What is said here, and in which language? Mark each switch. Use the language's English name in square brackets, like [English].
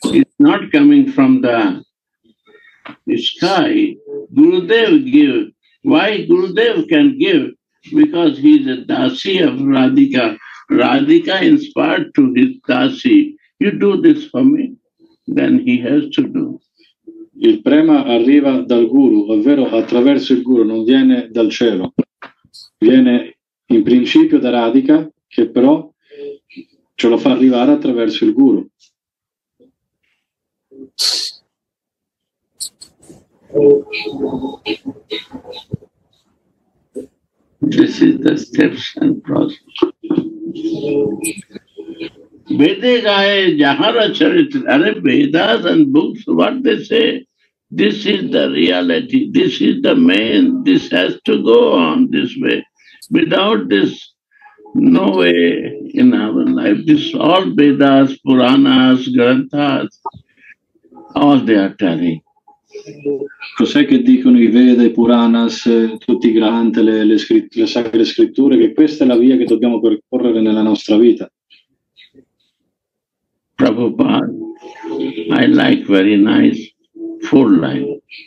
[English] It's not coming from the sky. Gurudev give. Why Gurudev can give? because he is a Dasi of Radhika. Radhika inspired to his Dasi. You do this for me, then he has to do. [Italian] Il prema arriva dal guru, ovvero attraverso il guru, non viene dal cielo. Viene in principio da Radhika, che però ce lo fa arrivare attraverso il guru. [English] This is the steps and process. [Bangla] Vedegaya jahara charitra, [English] Vedas and books, what they say, this is the reality, this is the main, this has to go on this way. Without this, no way in our life. This is all Vedas, Puranas, Granthas, all they are telling. [Italian] Cos'è che dicono i Veda, i Puranas, tutti i Granth, le sacre scritture? Che questa è la via che dobbiamo percorrere nella nostra vita. [English] Prabhupada, I like very nice four lines.